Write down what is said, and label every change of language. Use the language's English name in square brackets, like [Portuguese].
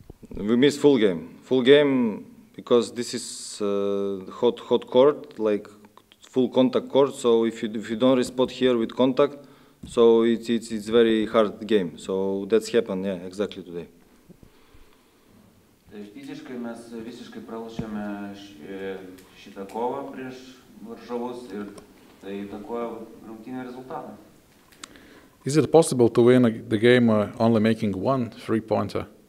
[English] We missed full game, because this is hot court, like full contact court. So if you don't respond here with contact, so it's very hard game. So that's happened, yeah, exactly today. [Lithuanian] Fiziškai mes visiškai pralašėme šitą kovą prieš varžovus ir tai įtakojo rungtynį rezultatą. [English] Is it possible to win the game only making one three-pointer?